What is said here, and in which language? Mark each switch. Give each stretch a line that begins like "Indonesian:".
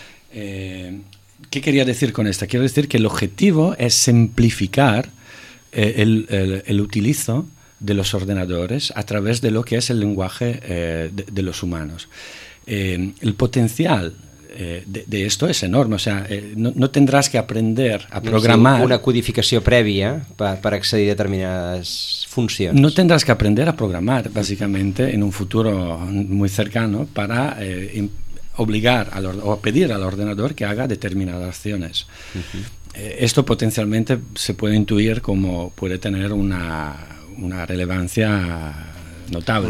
Spanish: ¿Qué quería decir con esto? Quiero decir que el objetivo es simplificar el utilizo de los ordenadores a través de lo que es el lenguaje de los humanos. El potencial de esto es enorme, o sea, no tendrás que aprender a programar.
Catalan: Una codificació prèvia per accedir a determinades funcions.
Spanish: No tendrás que aprender a programar, básicamente, en un futuro muy cercano, para obligar o pedir al ordenador que haga determinadas acciones. Esto potencialmente se puede intuir como puede tener una relevancia notable.